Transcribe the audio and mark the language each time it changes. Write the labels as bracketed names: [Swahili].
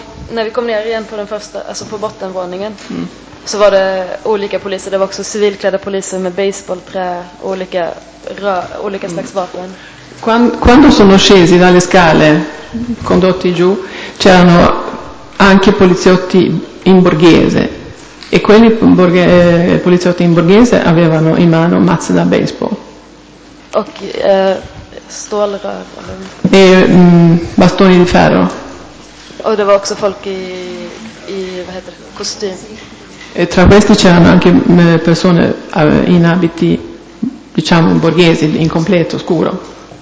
[Swedish] När vi kom ner igen på den första, alltså på bottenvåningen, så var det olika poliser. Det var också civilklädda poliser med baseballträ, olika slags vapen. [Italian] Quando sono scesi dalle scale, condotti giù, c'erano anche poliziotti in borghese. E quelli poliziotti in borghese avevano in mano mazze da baseball. [Swedish] Och stålrör. [Italian] E bastoni di ferro. [Swedish] Och det var också folk i vad heter det, kostym. [Italian] E tra questi c'erano anche persone in abiti, diciamo, borghesi, in completo, scuro.